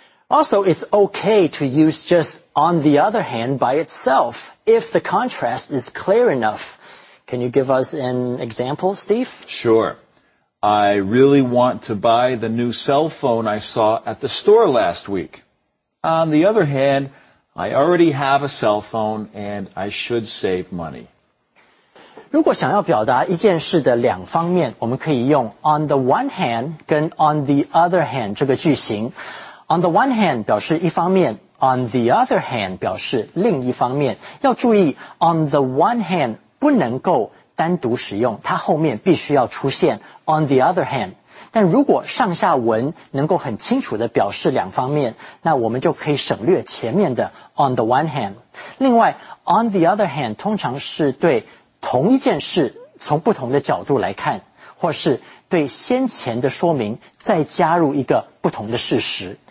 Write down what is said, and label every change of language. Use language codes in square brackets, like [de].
[en] Also, it's okay to use just on the other hand by itself if the contrast is clear enough. Can you give us an example, Steve? Sure. I really want to buy the new cell phone I saw at the store last week. On the other hand, I already have a cell phone and I should save money. [zh] 如果想要表达一件事的两方面，我们可以用 [en] on the one hand [zh] 跟 [en] on the other hand [zh] 这个句型。 [en] On the one hand [zh] 表示一方面， [en] on the other hand [zh] 表示另一方面。要注意 [en] on the one hand [zh] 不能够单独使用，它后面必须要出现 [en] on the other hand。 [zh] 但如果上下文能够很清楚地表示两方面，那我们就可以省略前面的 [en] on the one hand。 [zh] 另外 [en] on the other hand [zh] 通常是对同一件事从不同的角度来看，或是对先前的说明再加入一个不同的事实。